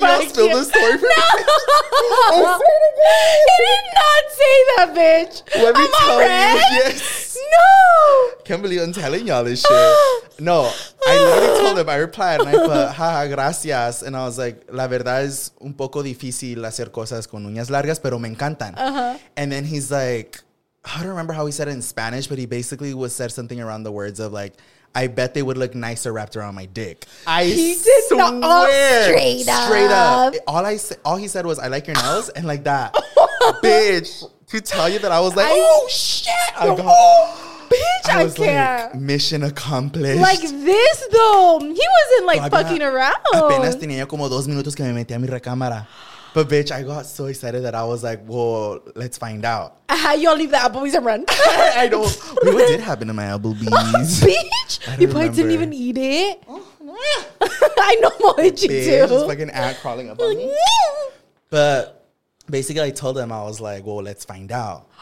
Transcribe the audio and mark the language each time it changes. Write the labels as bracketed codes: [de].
[en] You all spilled the story for me. No. He did not say that, bitch. Let me tell you. Yes. No. Can't believe I'm telling y'all this shit. No, I literally told him. I replied and I put, haha, gracias. And I was like, [es] la verdad es un poco difícil hacer cosas con uñas largas, pero me encantan. Uh-huh. [en] And then he's like, I don't remember how he said it in Spanish, but he basically was said something around the words of, like, I bet they would look nicer wrapped around my dick. He did not, straight up. All he said was, I like your nails, and like that. Bitch, to tell you that I was like, I can't. Mission accomplished. Like this, though. He wasn't, like, fucking around. [es] Apenas tenía como 2 minutos que me metí a mi recámara. [en] But, bitch, I got so excited that I was like, well, let's find out. How y'all leave the Applebee's and run? I don't. Wait, what did happen to my Applebee's? Bitch, you probably didn't even eat it. I know what you do. Bitch, it's like an ant crawling up on me. But basically, I told him, I was like, well, let's find out.